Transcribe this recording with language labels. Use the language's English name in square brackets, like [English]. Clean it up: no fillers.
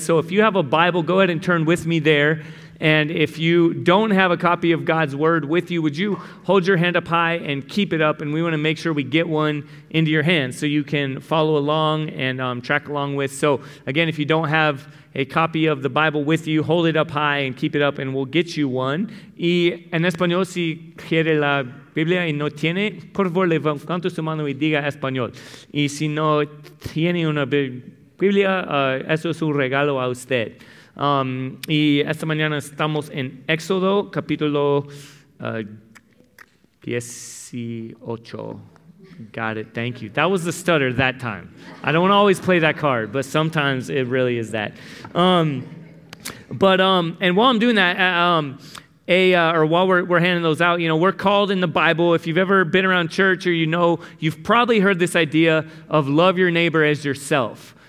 [English] So if you have a Bible, go ahead and turn with me there. And if you don't have a copy of God's Word with you, would you hold your hand up high and keep it up? And we want to make sure we get one into your hands so you can follow along and track along with. So again, if you don't have a copy of the Bible with you, hold it up high and keep it up and we'll get you one. [Spanish] Y en español, si quiere la Biblia y no tiene, por favor, levante su mano y diga español. Y si no tiene una Biblia, eso es un regalo a usted. Y esta mañana estamos en Éxodo, capítulo 18. [English] Got it. Thank you. That was the stutter that time. I don't always play that card, but sometimes it really is that. And while I'm doing that, while we're handing those out, you know, we're called in the Bible. If you've ever been around church or you know, you've probably heard this idea of love your neighbor as yourself.